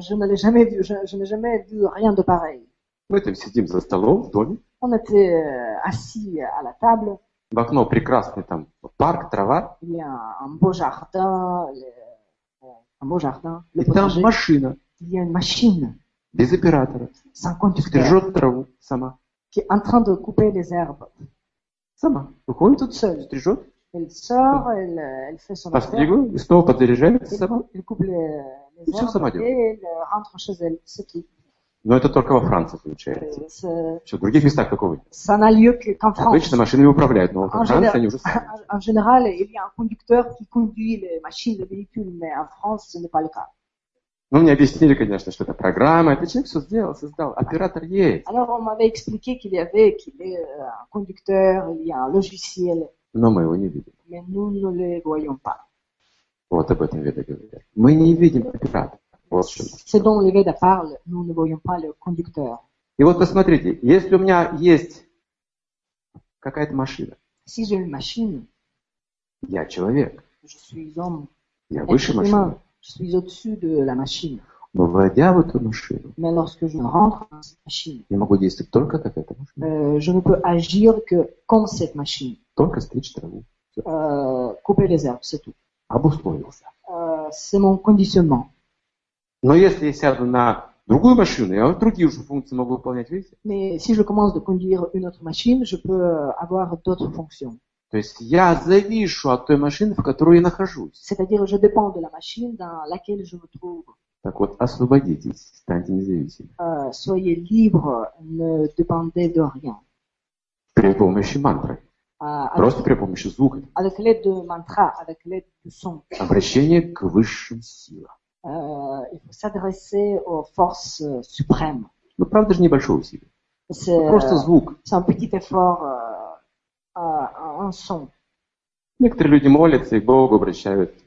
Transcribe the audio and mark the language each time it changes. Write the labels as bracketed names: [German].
[French] Je ne l'ai jamais vu, je n'ai jamais vu rien de pareil. [Russian] Мы там сидим за столом в доме. [French] On était assis à la table. [Russian] В окно прекрасный там парк, трава. [French] Il y a un beau jardin, un beau jardin. [Russian] И там машина. [French] Il y a une machine. [Russian] Без оператора. [French] Sans conducteur. Qui [Russian] стрижет траву сама. [French] Qui est en train de couper les herbes. [Russian] Сама. Выходит [French] toute seule. [Russian] Стрижет. [French] Elle sort, elle fait son affaire. [Russian] Постригу, снова подзаряжается сама. [French] Elle coupe les herbes. [Russian] Все сама делает. [French] Et elle rentre chez elle. C'est tout. [Russian] Но это только во Франции получается. Все, в других местах такого нет. [French] Ça n'a lieu qu'en France. [Russian] Обычно машинами управляют, но во Франции они уже сами. [French] En général, il y a un conducteur qui conduit les machines, les véhicules, mais en France, ce n'est pas le cas. [Russian] Ну, мне объяснили, конечно, что это программа, это человек все сделал, создал, оператор есть. [French] Alors, on m'avait expliqué qu'il y avait, qu'il est un conducteur, il y a un logiciel. [Russian] Но мы его не видим. [French] Mais nous ne le voyons pas. [Russian] Вот об этом Веда говорит. Мы не видим оператора. Вот что. [French] C'est dont le Veda parle, nous ne voyons pas le conducteur. [Russian] И вот посмотрите, если у меня есть какая-то машина. [French] Si j'ai une machine. [Russian] Я человек. [French] Je suis homme. [Russian] Я выше машины. [French] Je suis au-dessus de la machine. [Russian] Но войдя в эту машину, [French] mais lorsque je rentre dans cette machine, [Russian] я могу действовать только как эта машина. [French] Je ne peux agir que comme cette machine. [Russian] Только стричь траву. [French] Couper les herbes, c'est tout. [Russian] Обусловился. [French] C'est mon conditionnement. [Russian] Но если я сяду на другую машину, я другие уже функции могу выполнять, видите? [French] Mais si je commence de conduire une autre machine, je peux avoir d'autres fonctions. [Russian] То есть я завишу от той машины, в которой я нахожусь. [French] C'est-à-dire, je dépend de la machine dans laquelle je me trouve. [Russian] Так вот, освободитесь, станьте независимым. [French] Soyez libre, ne dépendez de rien. [Russian] При помощи мантры. Просто при помощи звука. [French] Avec l'aide de mantra, avec l'aide du son. [Russian] Обращение к высшим силам. [French] Il faut s'adresser aux forces suprêmes. [Russian] Ну, правда же, небольшое усилие. [French] C'est, [Russian] просто звук. [French] C'est un petit effort, un son. [Russian] Некоторые люди молятся и к Богу обращают.